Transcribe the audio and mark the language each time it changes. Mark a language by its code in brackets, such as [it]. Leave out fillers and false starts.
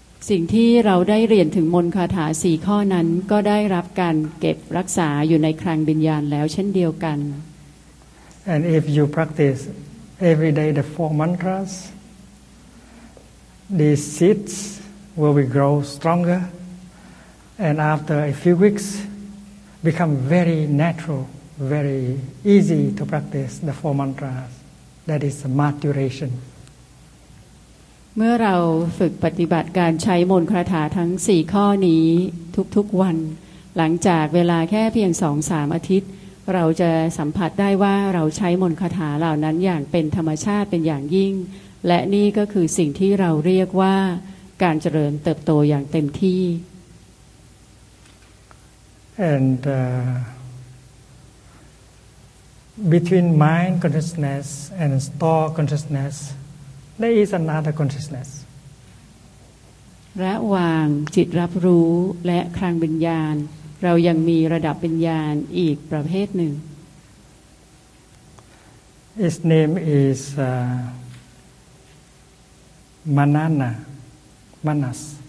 [th] สิ่งที่เราได้เรียนถึงมนต์คาถา4ข้อนั้นก็ได้รับการเก็บรักษาอยู่ในคลังวิญญาณแล้วเช่นเดียวกัน [en] And if you practice every day the four mantras the seeds will be grow stronger and after a few weeks become very natural very easy to practice the four mantras that is maturation [th] เมื่อเราฝึกปฏิบัติการใช้มนต์คาถาทั้ง4ข้อนี้ทุกๆวันหลังจากเวลาแค่เพียง 2-3 อาทิตย์เราจะสัมผัสได้ว่าเราใช้มนต์คาถาเหล่านั้นอย่างเป็นธรรมชาติเป็นอย่างยิ่งและนี่ก็คือสิ่งที่เราเรียกว่าการเจริญเติบโตอย่างเต็มที่ [en] And between mind consciousness and store consciousnessThere is another consciousness. [th] ระหว่างจิตรับรู้และคลังวิญญาณเรายังมีระดับวิญญาณอีกประเภทหนึ่ง [en] Its name is Manana, Manas.